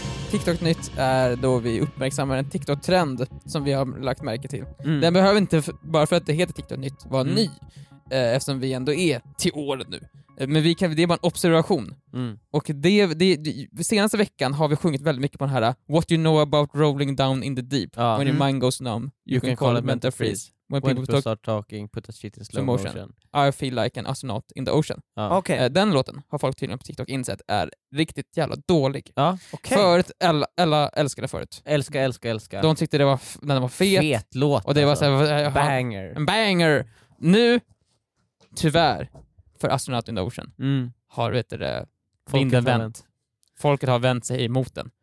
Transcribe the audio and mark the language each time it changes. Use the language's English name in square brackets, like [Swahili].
[Swedish] TikTok nytt är då vi uppmärksammar en TikTok-trend som vi har lagt märke till. Mm. Den behöver inte, bara för att det heter TikTok nytt, vara ny. Eftersom vi ändå är till året nu. Men det är bara en observation. Mm. Och det senaste veckan har vi sjungit väldigt mycket på den här [English] What you know about rolling down in the deep. Ah, when your mind goes numb, you can call it mental freeze. When people start talking, put a shit in slow motion. I feel like an astronaut in the ocean. Ah. Okay. [Swedish] Den låten har folk tydligen på TikTok insett är riktigt jävla dålig. Ah, okay. Förut, alla älskade förut. Älska. De tyckte det var när den var fet. Fet låt. Och det var såhär, alltså. Banger. En banger. Nu, tyvärr, för Astronaut in the Ocean har, vet du, folket har vänt sig emot den.